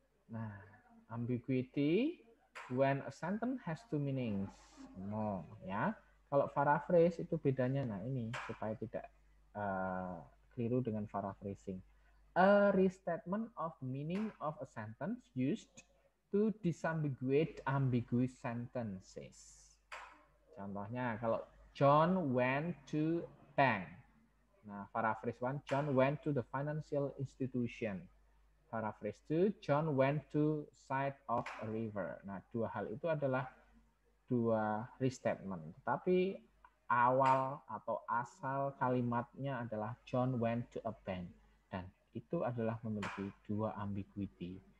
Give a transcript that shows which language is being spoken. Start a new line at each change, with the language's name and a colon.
English: Nah, ambiguity when a sentence has two meanings. No, ya.
Indonesian: Kalau paraphrase itu bedanya, nah ini supaya tidak keliru dengan paraphrasing.
English: A restatement of meaning of a sentence used to disambiguate ambiguous sentences.
Indonesian: Contohnya kalau
English: John went to bank.
Indonesian: Nah,
English: paraphrase 1, John went to the financial institution. Paraphrase 2, John went to side of a river.
Indonesian: Nah, dua hal itu adalah dua restatement. Tetapi awal atau asal kalimatnya adalah
English: John went to a bank.
Indonesian: Dan itu adalah memiliki dua ambiguity.